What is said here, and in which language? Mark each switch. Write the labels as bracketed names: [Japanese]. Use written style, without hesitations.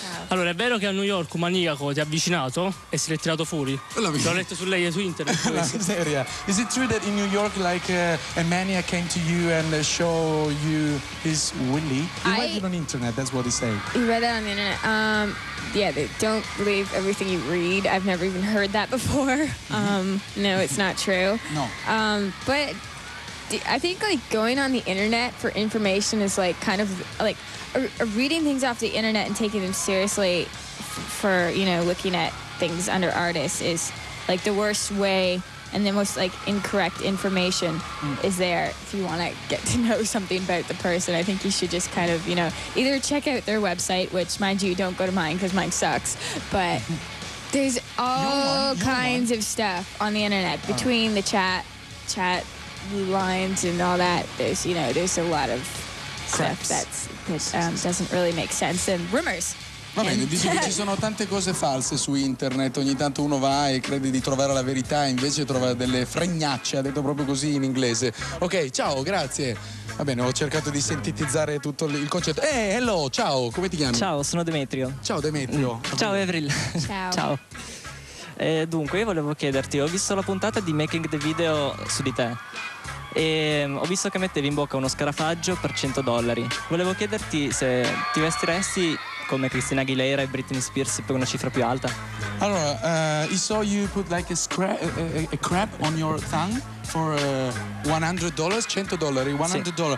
[Italian] Allora, è vero che a New York un maniaco ti ha avvicinato e si è tirato fuori? L'ho letto su lei e su internet. La seria. [English] Is it true that in New York like a maniac came to you and show you his willy? You read it on the internet, that's what he said. You read it on the internet. Yeah, they don't believe everything you read. I've never even heard that before. No, it's not true. No. But I think like going on the internet for information is like kind of like reading things off the internet and taking them seriously for, you know, looking at things under artists is like the worst way. And the most like incorrect information is there. If you want to get to know something about the person, I think you should just kind of, you know, either check out their website, which, mind you, don't go to mine because mine sucks. But there's all kinds of stuff on the internet between the chat lines and all that. There's, you know, there's a lot of stuff that doesn't really make sense and rumors. [Italian] Va bene, dici che ci sono tante cose false su internet, ogni tanto uno va e crede di trovare la verità, invece trova delle fregnacce, ha detto proprio così in inglese. Ok, ciao, grazie. Va bene, ho cercato di sintetizzare tutto il concetto. Hello, ciao, come ti chiami? Ciao, sono Demetrio. Ciao Demetrio. Ciao Avril. Ciao. Dunque, io volevo chiederti, ho visto la puntata di Making the Video su di te e ho visto che mettevi in bocca uno scarafaggio per $100. Volevo chiederti se ti vestiresti come Christina Aguilera e Britney Spears per una cifra più alta. [English] Allora, I saw you put like a crab on your tongue for $100, $100, $100.